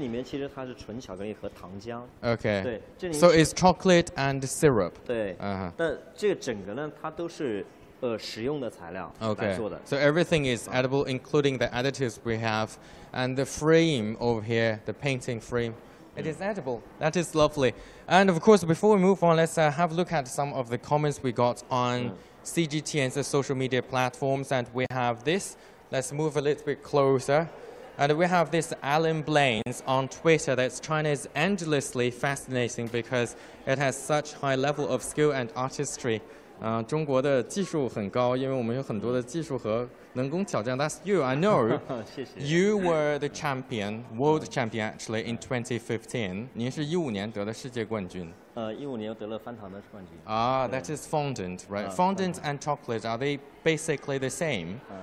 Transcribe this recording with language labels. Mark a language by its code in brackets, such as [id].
[zh] 我们是有一些添加剂在里边的。这里面其实它是纯巧克力和糖浆。OK. 对，这里。So [en] it's chocolate and syrup. [zh] 对。但这个整个呢，它都是。 [en] Okay, so everything is edible, including the additives we have. And the frame over here, the painting frame, it is edible. That is lovely. And of course, before we move on, let's have a look at some of the comments we got on CGTN's social media platforms. And we have this. Let's move a little bit closer. And we have this Alan Blaine's on Twitter that China is endlessly fascinating because it has such high level of skill and artistry. [zh] 中国的技术很高，因为我们有很多的技术和能工巧匠. [en] That's you, I know. You were the champion, world champion actually in 2015. [zh] 您是15年得的世界冠军。15年得了翻糖的冠军。 [en] Ah, that is fondant, right? Fondant and chocolate, are they basically the same?